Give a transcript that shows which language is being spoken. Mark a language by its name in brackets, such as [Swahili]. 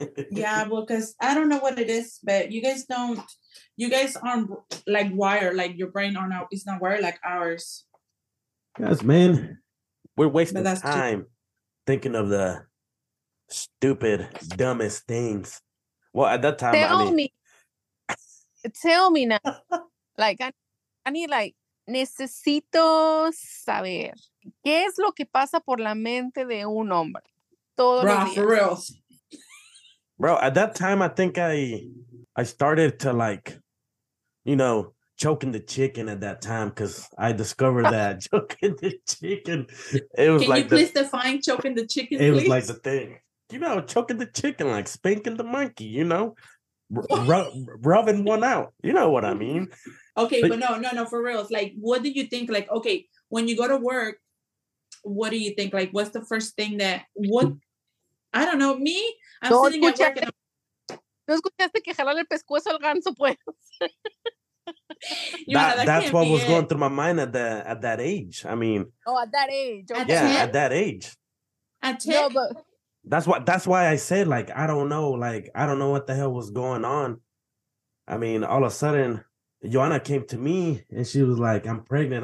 [English] Yeah, well, because I don't know what it is, but you guys aren't like wired, like your brain is not wired like ours. Yes, man. We're wasting time thinking of the stupid, dumbest things. Well, at that time, Tell me now. I need [Spanish] necesito saber qué es lo que pasa por la mente de un hombre. [English] Bro, at that time, I think I started to choking the chicken at that time, because I discovered that choking the chicken, it was Can you please define choking the chicken? It was like the thing, choking the chicken, like spanking the monkey, rubbing one out. You know what I mean? Okay, but no, for real. It's like, what do you think? Like, okay, when you go to work, what do you think? Like, what's the first thing that, what? I don't know. Me, I'm sitting at work. [Spanish] No escuchaste que jalar el pescuezo al ganso, pues. [English] That's what was going through my mind at that age. I mean, at that age. That's why I said, like, I don't know. Like, I don't know what the hell was going on. I mean, all of a sudden, Joanna came to me and she was like, I'm pregnant.